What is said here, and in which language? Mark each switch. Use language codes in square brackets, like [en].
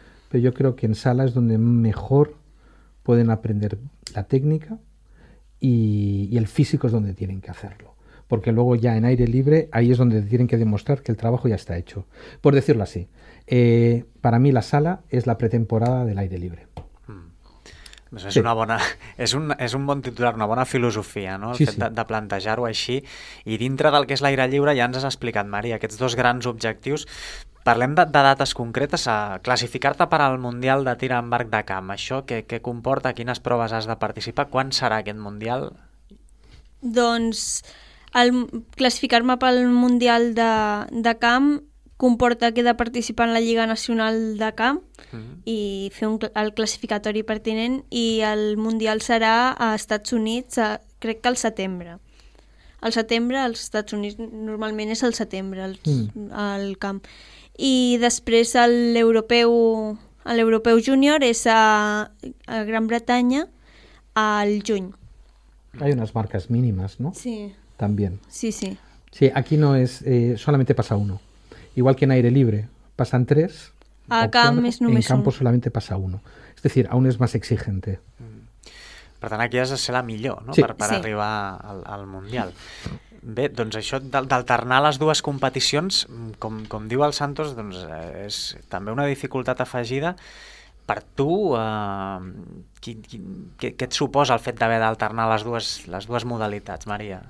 [es] Pero yo creo que en sala es donde mejor pueden aprender la técnica y el físico es donde tienen que hacerlo. Porque luego ya en aire libre, ahí es donde tienen que demostrar que el trabajo ya está hecho. Por decirlo así, para mí la sala es la pretemporada del aire libre. [ca] Pues sí. És un bon titular, una bona filosofia, no? El fet de plantejar-ho així. I dintre del que és l'aire lliure ja ens has explicat, Maria, aquests dos grans objectius. Parlem de dates concretes, a classificar-te per al Mundial de Tir amb Arc de Camp. Això què comporta? Quines proves has de participar? Quan serà aquest Mundial? Doncs classificar-me pel Mundial de Camp comporta que he de participar en la Lliga Nacional de Camp i fer el classificatori pertinent, i el Mundial serà a Estats Units, crec que al setembre. Al setembre, als Estats Units, normalment és al setembre el camp. I després l'europeu júnior és a Gran Bretanya al juny. [es] Hay unas marcas mínimas, ¿no? Sí. También. Sí, sí. Sí, aquí no es... solamente pasa uno. Igual que en aire libre, pasan tres. [ca] A camp és només un. [es] En campo solamente pasa uno. Es decir, aún es más exigente. [ca] Per tant, aquí has de ser la millor, no? Sí. Per arribar al Mundial. Bé, doncs això d'alternar les dues competicions, com diu el Santos, doncs és també una dificultat afegida. Per tu, què et suposa el fet d'haver d'alternar les dues modalitats, Maria?